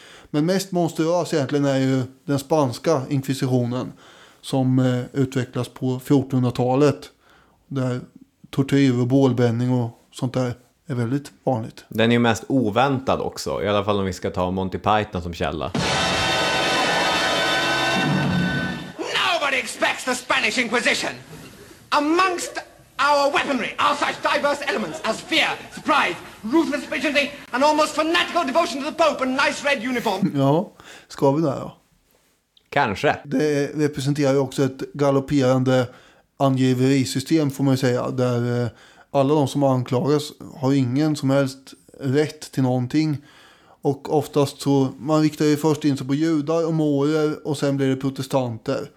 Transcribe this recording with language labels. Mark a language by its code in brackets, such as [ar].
[sv] Men mest monstruös egentligen är ju den spanska inkvisitionen som utvecklas på 1400-talet där tortyr och bålbränning och sånt där är väldigt vanligt. Den är ju mest oväntad också, i alla fall om vi ska ta Monty Python som källa. [en] Nobody expects the Spanish Inquisition. Amongst our weaponry are such diverse elements as fear, surprise, ruthless efficiency and almost fanatical devotion to the Pope and nice red uniform. [sv] Ja, ska vi där då? Kanske. Det representerar ju också ett galopperande angiverisystem får man ju säga, där alla de som anklagas har ingen som helst rätt till någonting. Och oftast så, man riktar ju först in sig på judar och mårer och sen blir det protestanter.